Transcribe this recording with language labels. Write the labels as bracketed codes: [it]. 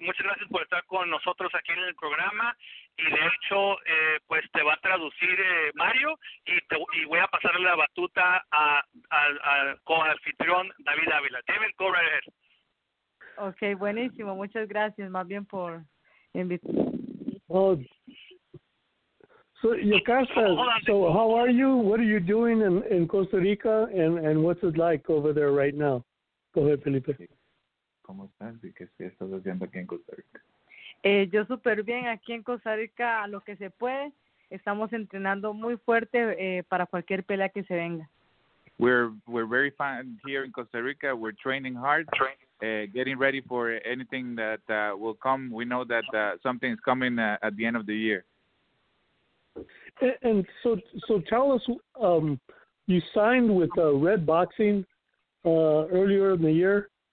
[es] Muchas gracias por estar con nosotros aquí en el programa. Y de hecho, pues te va a traducir Mario y voy a pasar la batuta al co-anfitrión David Ávila. [en] David, go right ahead. [es] Okay, buenísimo. Muchas gracias, más bien por invitarme. [en] Oh, so Yocasta, so how are you? What are you doing in Costa Rica? And what's it like over there right now? Go ahead, Felipe. [es] ¿Cómo estás? ¿Y qué estás haciendo aquí en Costa Rica? Yo súper bien aquí en Costa Rica, a lo que se puede. Estamos entrenando muy fuerte para cualquier pelea que se venga. [en] We're very fine here in Costa Rica. We're training hard, getting ready for anything that will come. We know that something's coming at the end of the year. And so tell us, you signed with Red Boxing earlier in the year.